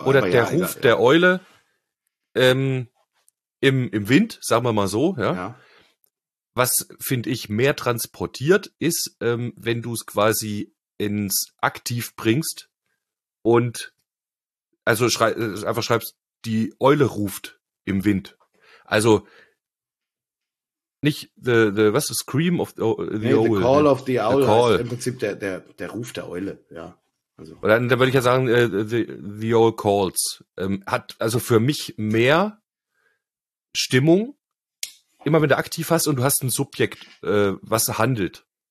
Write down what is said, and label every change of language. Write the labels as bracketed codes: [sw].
[de] Eule, oder der ja, Ruf egal, der ja. Eule im Wind, sagen wir mal so, ja. Ja. Was, finde ich, mehr transportiert ist, wenn du es quasi ins Aktiv bringst und also einfach schreibst, die Eule ruft im Wind. Also nicht [en] the was the scream of the [de] nee, [en] owl. The call of the owl. The call. [de] Im Prinzip der Ruf der Eule, ja. Also. Oder dann würde ich ja sagen, [en] the owl calls. [de] Hat also für mich mehr Stimmung, immer wenn du aktiv hast und du hast ein Subjekt, was handelt.